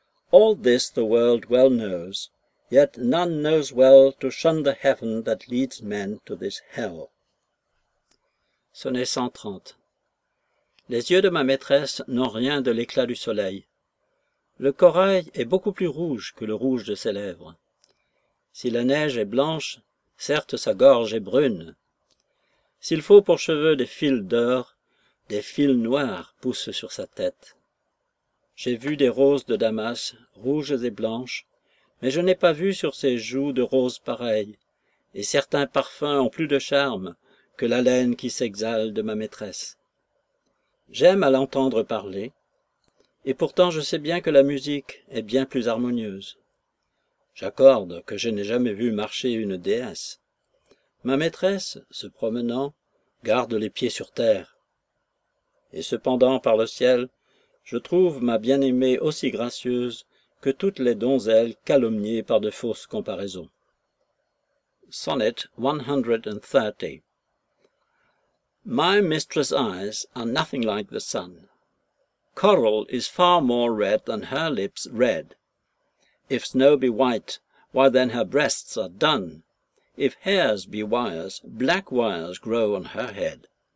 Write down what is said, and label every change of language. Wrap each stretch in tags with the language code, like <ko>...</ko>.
<en>All this the world well knows, yet none knows well to shun the heaven that leads men to this hell. Sonnet 130.</en> <fr>Les yeux de ma maîtresse n'ont rien de l'éclat du soleil. Le corail est beaucoup plus rouge que le rouge de ses lèvres. Si la neige est blanche, certes sa gorge est brune. S'il faut pour cheveux des fils d'or, des fils noirs poussent sur sa tête. J'ai vu des roses de Damas, rouges et blanches, mais je n'ai pas vu sur ses joues de roses pareilles, et certains parfums ont plus de charme que l'haleine qui s'exhale de ma maîtresse. J'aime à l'entendre parler, et pourtant je sais bien que la musique est bien plus harmonieuse. J'accorde que je n'ai jamais vu marcher une déesse. Ma maîtresse, se promenant, garde les pieds sur terre. Et cependant, par le ciel, je trouve ma bien-aimée aussi gracieuse que toutes les donzelles calomniées par de fausses comparaisons.</fr> <en>Sonnet 130. My mistress' eyes are nothing like the sun. Coral is far more red than her lips red. If snow be white, why then her breasts are dun. If hairs be wires, black wires grow on her head.</en>